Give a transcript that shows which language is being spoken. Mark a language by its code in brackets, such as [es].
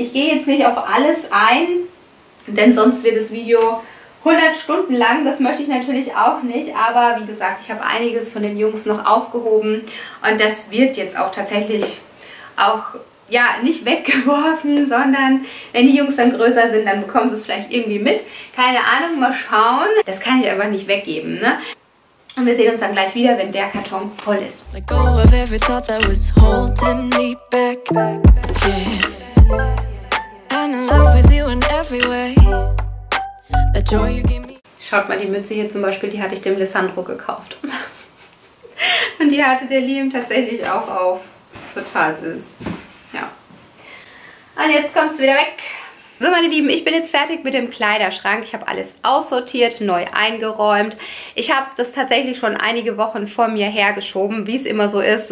[de] Ich gehe jetzt nicht auf alles ein, denn sonst wird das Video 100 Stunden lang, das möchte ich natürlich auch nicht, aber wie gesagt, ich habe einiges von den Jungs noch aufgehoben und das wird jetzt auch tatsächlich auch, ja, nicht weggeworfen, sondern wenn die Jungs dann größer sind, dann bekommen sie es vielleicht irgendwie mit. Keine Ahnung, mal schauen. Das kann ich einfach nicht weggeben, ne? Und wir sehen uns dann gleich wieder, wenn der Karton voll ist. [en] Let go of every thought that was holding me back. Yeah. I'm in love with you in every way. [de] Schaut mal, die Mütze hier zum Beispiel, die hatte ich dem Lissandro gekauft. Und die hatte der Liam tatsächlich auch auf. Total süß. Ja. Und jetzt kommt's wieder weg. So, meine Lieben, ich bin jetzt fertig mit dem Kleiderschrank. Ich habe alles aussortiert, neu eingeräumt. Ich habe das tatsächlich schon einige Wochen vor mir hergeschoben, wie es immer so ist.